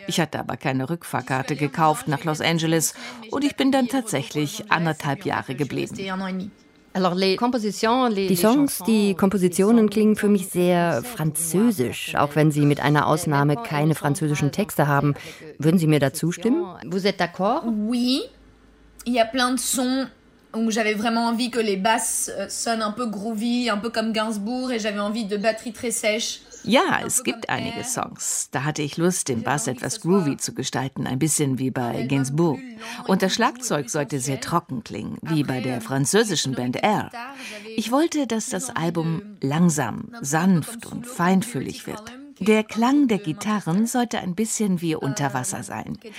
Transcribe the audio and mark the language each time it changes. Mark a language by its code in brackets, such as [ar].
[de] Ich hatte aber keine Rückfahrkarte gekauft nach Los Angeles und ich bin dann tatsächlich 1,5 Jahre geblieben. Die Songs, die Kompositionen klingen für mich sehr französisch, auch wenn sie mit einer Ausnahme keine französischen Texte haben. Würden Sie mir da zustimmen? [fr] Vous êtes d'accord? Oui. Il y a plein de sons où j'avais vraiment envie que les basses sonnent un peu groovy, un peu comme Gainsbourg, et j'avais envie de batterie très sèche. [de] Ja, es gibt einige Songs. Da hatte ich Lust, den Bass etwas groovy zu gestalten, ein bisschen wie bei Gainsbourg. Und das Schlagzeug sollte sehr trocken klingen, wie bei der französischen Band R. Ich wollte, dass das Album langsam, sanft und feinfühlig wird. Der Klang der Gitarren sollte ein bisschen wie unter Wasser sein.